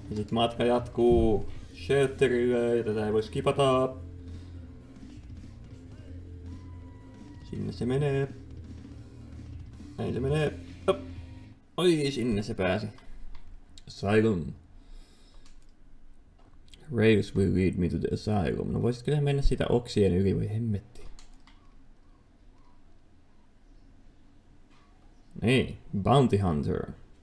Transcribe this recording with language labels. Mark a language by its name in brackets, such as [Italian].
[Finnish] Matka jatkuu shelterille ja tätä ei voi skipata. Sinne se menee. Näin se menee. Jop. Oi, sinne se pääsi. Asylum. [English] Graves will lead me to the asylum. [Finnish] No voisit kyllä mennä siitä oksien yli, voi hemmetti. Niin, Bounty Hunter.